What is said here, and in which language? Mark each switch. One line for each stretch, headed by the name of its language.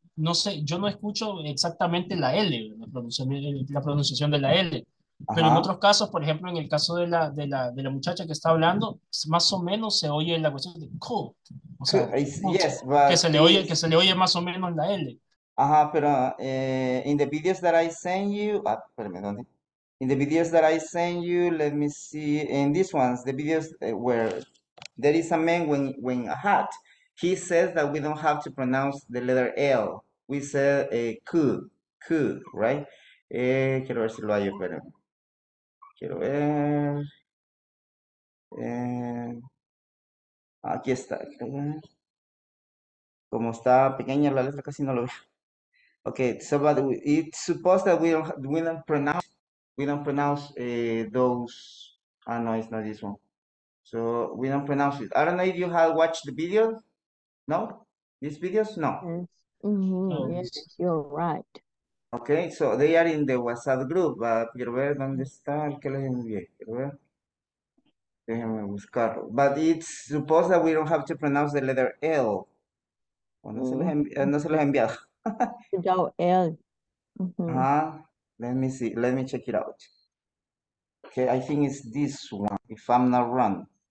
Spanish: no sé, yo no escucho exactamente la L, la pronunciación de la L. Pero en otros casos, por ejemplo, en el caso de la muchacha que está hablando, más o menos se oye la cuestión de cool. O sea,
English: yes,
Spanish: que se le oye más o menos la L. Ajá, pero
English: in the videos that I send you,
Spanish: espérame, ¿dónde?
English: In the videos that I send you, let me see, in these ones, the videos where there is a man when a hat, he says that we don't have to pronounce the letter L. We say coo, right?
Spanish: Quiero ver si lo hay, pero quiero ver. Aquí está. Como está pequeña la letra, casi no lo veo.
English: Okay, so but it's supposed that we don't pronounce those. Ah, no, it's not this one. So we don't pronounce it. I don't know if you have watched the video. No, these videos, no. Mm-hmm. Yes, you're right. Okay, so they are in the WhatsApp group.
Spanish: Quiero ver dónde está el que les envié. Quiero ver. Déjenme buscarlo.
English: But it's supposed that we don't have to pronounce the letter L.
Spanish: No se les envía.
English: Without L. Let me see. Let me check it out. Okay, I think it's this one, if I'm not wrong.